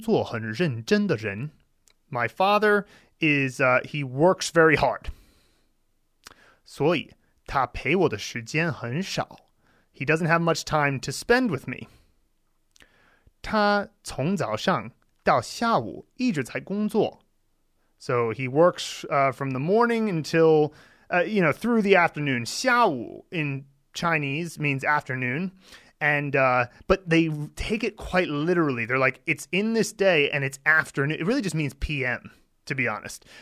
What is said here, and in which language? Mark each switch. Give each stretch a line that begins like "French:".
Chinese: 我的爸爸是一个工作很认真的人.
English: My father is, he works very hard.
Chinese: 所以他陪我的时间很少.
English: He doesn't have much time to spend with me.
Chinese: 他从早上到下午一直在工作.
English: So he works from the morning until, through the afternoon. 下午 in Chinese means afternoon. And but they take it quite literally. They're like, it's in this day and it's afternoon. It really just means PM, to be honest.